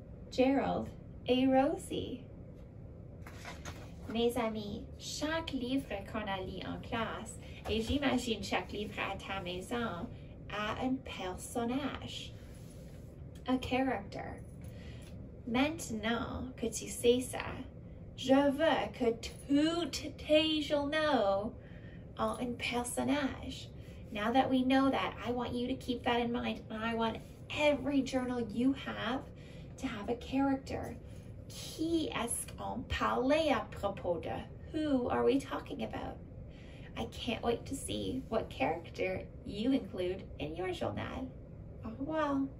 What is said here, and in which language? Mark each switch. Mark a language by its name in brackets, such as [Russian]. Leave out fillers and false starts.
[French] Gerald et Rosie. Mes amis, chaque livre qu'on a lu en classe, et j'imagine chaque livre à ta maison, a un personnage. [English] A character. [French] Maintenant que tu sais ça, je veux que tous tes journaux ont un personnage. [English] Now that we know that, I want you to keep that in mind. I want every journal you have to have a character. [French] Qui est-ce qu'on parle à propos de? [English] Who are we talking about? I can't wait to see what character you include in your journal. [French] Au revoir.